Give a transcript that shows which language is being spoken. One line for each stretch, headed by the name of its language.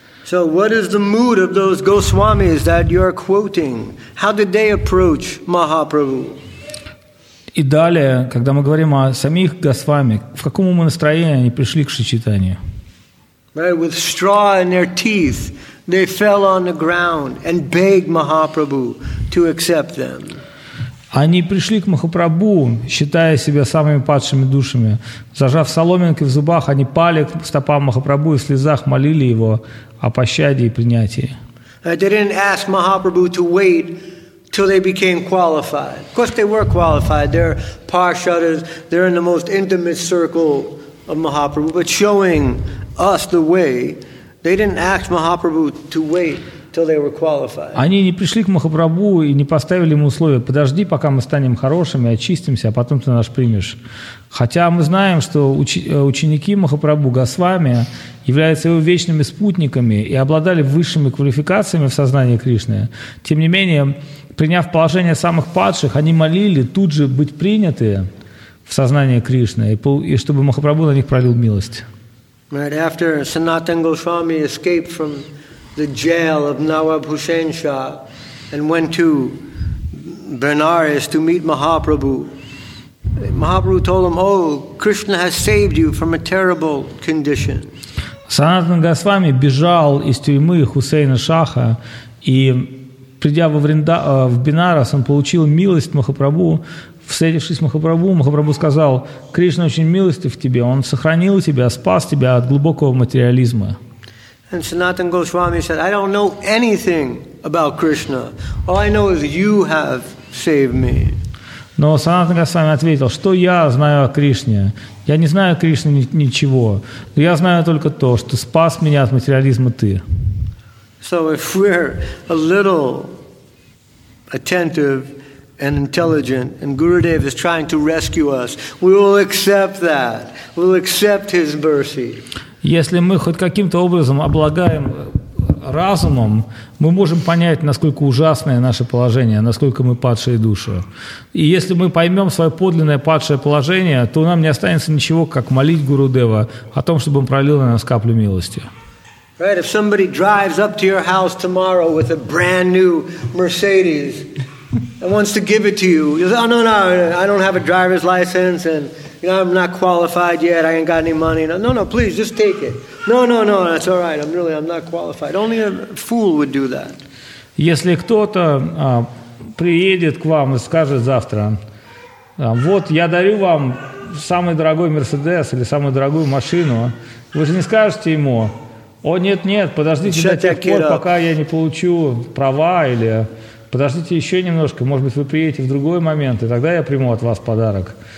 English: So what is the mood of those Goswamis that you are quoting? How did they approach Mahaprabhu?
Russian: И далее, когда мы говорим о самих Госвами, в каком умонастроении они пришли к Шри Чайтанье?
English: Right, with straw in their teeth, they fell on the ground and begged Mahaprabhu to accept them.
Russian: Они пришли к Махапрабху, считая себя самыми падшими душами. Зажав соломинки в зубах, они пали к стопам Махапрабху и в слезах молили его о пощаде и принятии.
English: They didn't ask Mahaprabhu to wait till they became qualified. Of course, they were qualified. They're parshadas. They're in the most intimate circle of Mahaprabhu, but showing us the way, they didn't ask Mahaprabhu to wait till they were qualified.
Russian: Они не пришли к Махапрабху и не поставили ему условия: подожди, пока мы станем хорошими, очистимся, а потом ты нас примешь. Хотя мы знаем, что ученики Махапрабху, Госвами, являются его вечными спутниками и обладали высшими квалификациями в сознании Кришны. Тем не менее, приняв положение самых падших, они молили тут же быть приняты в сознании Кришны и чтобы Махапрабху на них пролил милость.
English: Right after Sanatan Goswami escaped from the jail of Nawab Hussain Shah and went to Benares to meet Mahaprabhu, Mahaprabhu told him, oh, Krishna has saved you from a terrible condition.
Russian: Sanatan Goswami бежал из тюрьмы Хусейна Шаха, и придя в Бенарес, он получил милость Махапрабху. Встретившись с Махапрабху, Махапрабху сказал: Кришна очень милостив к тебе, он сохранил тебя, спас тебя от глубокого материализма.
English: And Sanatan Goswami said, I don't know anything about Krishna. All I know is you have saved me.
Russian: Но Sanatan Goswami ответил: что я знаю о Кришне? Я не знаю Кришны ничего. Но я знаю только то, что спас меня от материализма ты.
English: So if we're a little attentive and intelligent, and Gurudev is trying to rescue us, we will accept that. We'll accept his mercy.
Russian: Если мы хоть каким-то образом обладаем разумом, мы можем понять, насколько ужасное наше положение, насколько мы падшие души. И если мы поймем свое подлинное падшее положение, то нам не останется ничего, как молить Гурудева о том, чтобы он пролил на нас каплю милости.
English: Right, if somebody drives up to your house tomorrow with a brand new Mercedes and wants to give it to you, you say, oh, no, no, I don't have a driver's license, and you know, I'm not qualified yet, I ain't got any money. No, no, please, just take it. No, no, no, that's all right, I'm not qualified. Only a fool would do that.
Russian: Если кто-то приедет к вам и скажет завтра, вот, я дарю вам самый дорогой Мерседес или самую дорогую машину, вы же не скажете ему: о, нет-нет, подождите до тех пор, пока я не получу права, или подождите еще немножко, может быть, вы приедете в другой момент, и тогда я приму от вас подарок.